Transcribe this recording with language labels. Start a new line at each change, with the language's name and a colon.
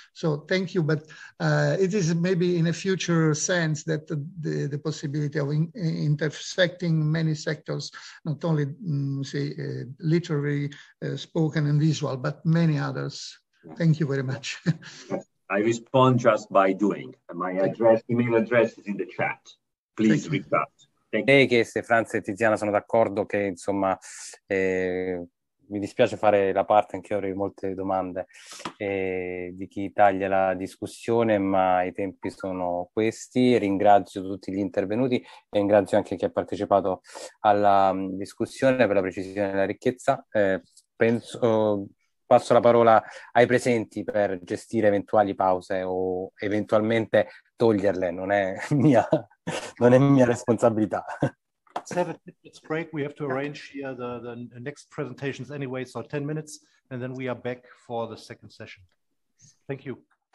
English: So thank you, but it is maybe in a future sense that the possibility of intersecting many sectors, not only, say, literary, spoken and visual, but many others. Thank you very much. I respond just by doing. My address, email address is in the chat. Please reach out.
Italian: E che se Franz e Tiziana sono d'accordo, che insomma mi dispiace fare la parte, anche io avrei molte domande di chi taglia la discussione, ma i tempi sono questi. Ringrazio tutti gli intervenuti e ringrazio anche chi ha partecipato alla discussione per la precisione e la ricchezza. Passo la parola ai presenti per gestire eventuali pause o eventualmente toglierle, non è mia responsabilità.
English: It's break, we have to arrange here the next presentations anyway, so 10 minutes and then we are back for the second session. Thank you.